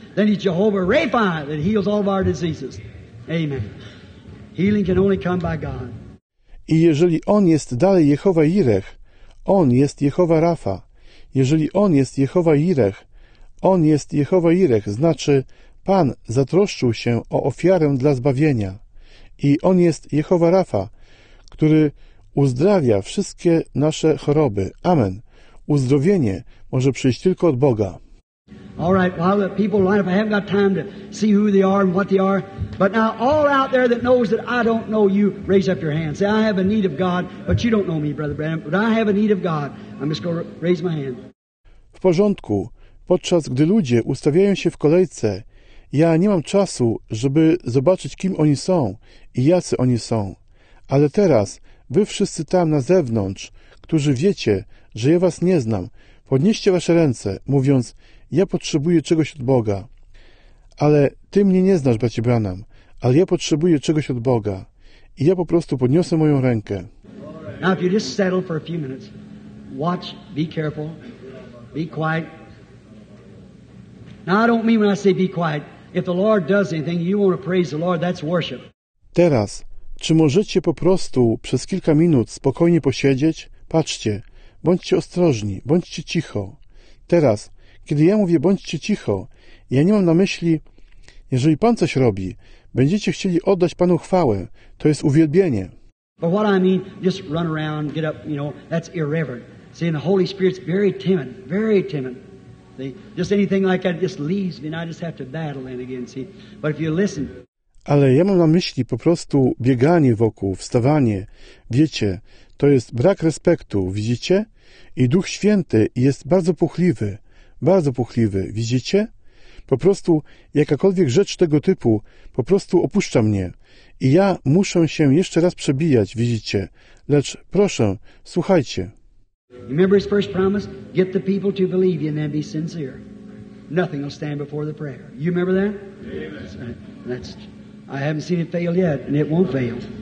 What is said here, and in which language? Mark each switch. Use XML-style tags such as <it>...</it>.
<en>Then he's Jehovah Rapha that heals all of our diseases. Amen. Healing can only come by God.</en> <pl>I jeżeli on jest dalej Jehova Jireh, on jest Jehova Rapha. Jeżeli on jest Jehova Jireh, on jest Jehova Jireh, znaczy Pan zatroszczył się o ofiarę dla zbawienia. I on jest Jehova Rapha, który uzdrawia wszystkie nasze choroby. Amen. Uzdrowienie może przyjść tylko od Boga.</pl> <en>All right, while the people line up, I haven't got time to see who they are and what they are. But now all out there that knows that I don't know you, raise up your hand. Say, I have a need of God, but you don't know me, Brother Branham, but I have a need of God. I'm just going to raise my hand.</en> <pl>W porządku. Podczas gdy ludzie ustawiają się w kolejce, ja nie mam czasu, żeby zobaczyć, kim oni są i jacy oni są. Ale teraz, wy wszyscy tam na zewnątrz, którzy wiecie, że ja was nie znam, podnieście wasze ręce, mówiąc, ja potrzebuję czegoś od Boga. Ale ty mnie nie znasz, bracie Branham, ale ja potrzebuję czegoś od Boga. I ja po prostu podniosę moją rękę.</pl> <en>Now, if you just settle for a few minutes, watch, be careful, be quiet. Now, I don't mean when I say be quiet. If the Lord does anything, you want to praise the Lord, that's worship.</en> <pl>Teraz, czy możecie po prostu przez kilka minut spokojnie posiedzieć? Patrzcie, bądźcie ostrożni, bądźcie cicho. Teraz, kiedy ja mówię bądźcie cicho, ja nie mam na myśli, jeżeli Pan coś robi, będziecie chcieli oddać Panu chwałę, to jest uwielbienie.</pl> <en>But what I mean, just run around, get up, you know, that's irreverent. See, and the Holy Spirit's very timid, very timid. Just anything like that just leaves me, and I just have to battle it again, see. But if you listen.</en> <pl>Ale ja mam na myśli po prostu bieganie wokół, wstawanie. Wiecie, to jest brak respektu, widzicie? I Duch Święty jest bardzo puchliwy. Widzicie? Po prostu jakakolwiek rzecz tego typu po prostu opuszcza mnie i ja muszę się jeszcze raz przebijać, widzicie. Lecz proszę, słuchajcie.</pl> <en>Remember his first promise? Get the people to believe you and then be sincere. Nothing will stand before the prayer. You remember that? Amen. I haven't seen it fail yet and it won't fail.</en>